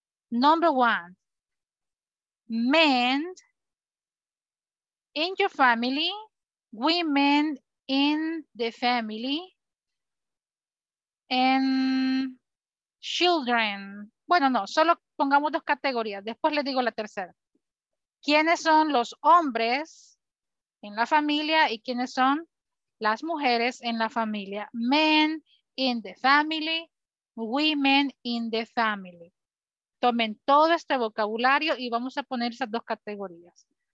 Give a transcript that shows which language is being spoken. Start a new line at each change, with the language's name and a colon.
English: Number one, men in your family, women in the family, and children.
Spanish: Bueno, no, solo pongamos dos categorías. Después les digo la tercera. ¿Quiénes son los hombres en la familia y quiénes son las mujeres en la familia?
English: Men in the family, women in the family.
Spanish: Tomen todo este vocabulario y vamos a poner esas dos categorías.